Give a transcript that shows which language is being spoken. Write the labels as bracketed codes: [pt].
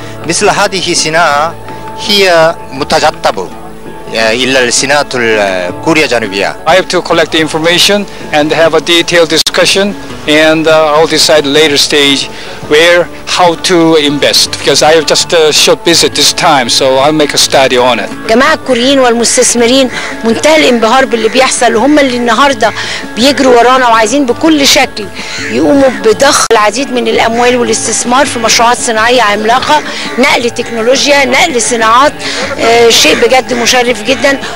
[ar] مثل هذه الصناعة هي متجذبة إلى صناعة كوريا الجنوبية. [en] I have to collect the information and have a detailed discussion and I'll decide later stage where how to invest because I have just a short visit this time so I'll make a study on it. [ar] جماعة الكوريين والمستثمرين منتهى الانبهار باللي بيحصل، وهم اللي النهارده بيجروا ورانا وعايزين بكل شكل يقوموا بضخ العديد من الاموال والاستثمار في مشروعات صناعيه عملاقه، نقل تكنولوجيا، نقل صناعات، شيء بجد مشرف جدا.